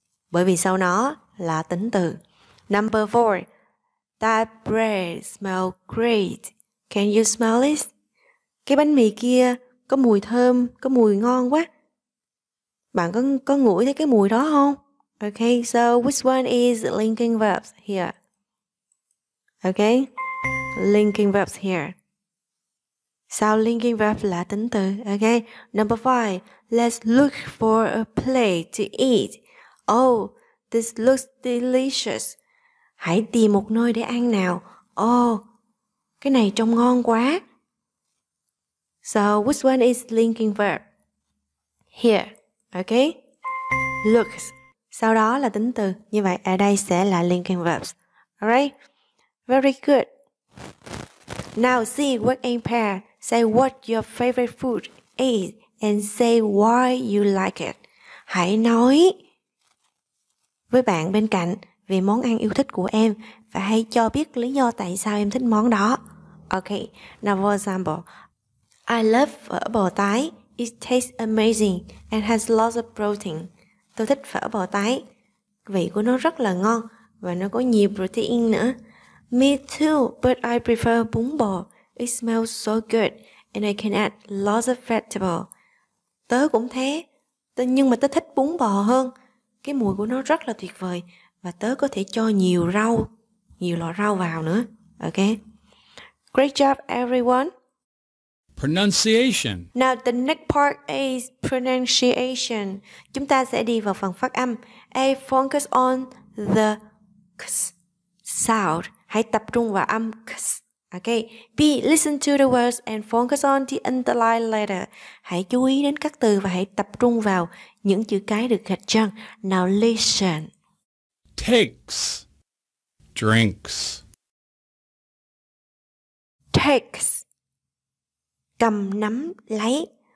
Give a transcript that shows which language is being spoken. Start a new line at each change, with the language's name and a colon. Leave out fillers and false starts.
Vietnamese: Bởi vì sau nó là tính từ.
English: Number 4. That bread smells great. Can you smell it?
Vietnamese: Cái bánh mì kia có mùi thơm, có mùi ngon quá. Bạn có ngửi thấy cái mùi đó không?
English: Okay, so which one is linking verbs here? Okay, linking verbs here.
Vietnamese: Sao linking verb là tính từ?
English: Okay, number 5. Let's look for a plate to eat. Oh, this looks delicious.
Vietnamese: Hãy tìm một nơi để ăn nào. Oh, cái này trông ngon quá.
English: So, which one is linking verb? Here, okay? Looks.
Vietnamese: Sau đó là tính từ. Như vậy, ở đây sẽ là linking verbs.
English: Alright? Very good. Now, see, work in pair. Say what your favorite food is and say why you like it.
Vietnamese: Hãy nói với bạn bên cạnh về món ăn yêu thích của em và hãy cho biết lý do tại sao em thích món đó.
English: Okay, now for example, I love phở bò tái. It tastes amazing and has lots of protein.
Vietnamese: Tôi thích phở bò tái. Vị của nó rất là ngon và nó có nhiều protein nữa.
English: Me too, but I prefer bún bò. It smells so good and I can add lots of vegetables.
Vietnamese: Tớ cũng thế, nhưng mà tớ thích bún bò hơn. Cái mùi của nó rất là tuyệt vời. Và tớ có thể cho nhiều rau, nhiều loại rau vào nữa.
English: Ok. Great job, everyone. Pronunciation. Now, the next part is pronunciation.
Vietnamese: Chúng ta sẽ đi vào phần phát âm.
English: A, focus on the k sound.
Vietnamese: Hãy tập trung vào âm k. Ok.
English: B, listen to the words and focus on the underlined letter.
Vietnamese: Hãy chú ý đến các từ và hãy tập trung vào những chữ cái được gạch chân.
English: Now, listen. Takes, drinks.
Vietnamese: Takes, cầm nắm lấy.